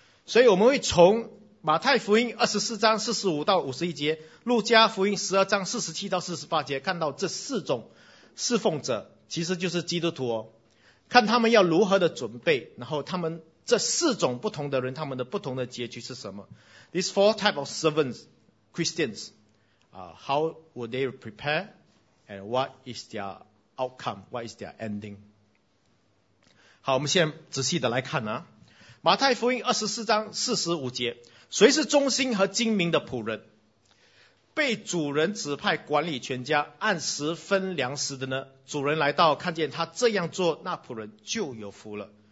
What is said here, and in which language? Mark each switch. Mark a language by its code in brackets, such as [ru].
[zh] 所以我们会从马太福音24章45到51节，路加福音12章47到48节，看到这四种侍奉者。其实就是基督徒哦，看他们要如何的准备，然后他们这四种不同的人，他们的不同的结局是什么。 [en] These four types of servants Christians、How would they prepare and what is their outcome, what is their ending。 [zh] 好，我们先仔细的来看啊，马太福音24章45节，谁是忠心和精明的仆人，被主人指派管理全家按时分粮食的呢？主人来到看见他这样做，那仆人就有福了。